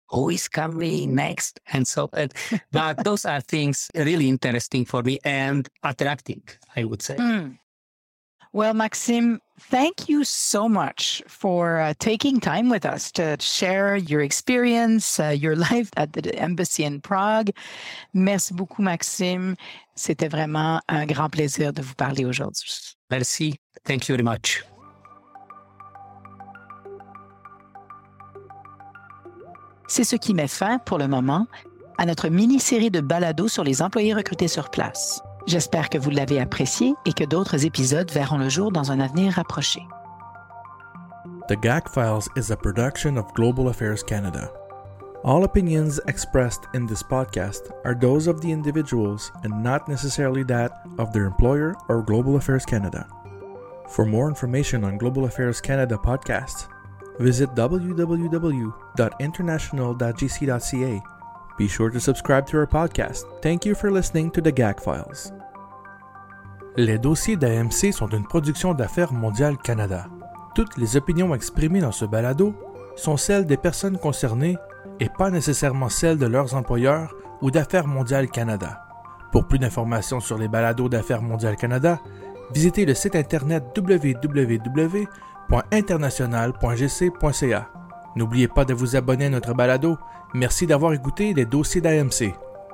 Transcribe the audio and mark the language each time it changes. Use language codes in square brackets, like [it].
[en] Who is coming next? And so, but those are things really interesting for me and attracting, I would say. Mm. Well, Maxim, thank you so much for taking time with us to share your experience, your life at the embassy in Prague. [fr] Merci beaucoup, Maxim. C'était vraiment un grand plaisir de vous parler aujourd'hui. [en] Merci. Thank you very much. [fr] C'est ce qui met fin, pour le moment, à notre mini-série de balados sur les employés recrutés sur place. J'espère que vous l'avez apprécié et que d'autres épisodes verront le jour dans un avenir rapproché. [en] The GAC Files is a production of Global Affairs Canada. All opinions expressed in this podcast are those of the individuals and not necessarily that of their employer or Global Affairs Canada. For more information on Global Affairs Canada podcasts, visit www.international.gc.ca. Be sure to subscribe to our podcast. Thank you for listening to the GAC Files. [fr] Les dossiers d'AMC sont une production d'Affaires mondiales Canada. Toutes les opinions exprimées dans ce balado sont celles des personnes concernées et pas nécessairement celles de leurs employeurs ou d'Affaires mondiales Canada. Pour plus d'informations sur les balados d'Affaires mondiales Canada, visitez le site internet www.international.gc.ca. N'oubliez pas de vous abonner à notre balado. Merci d'avoir écouté les dossiers d'AMC.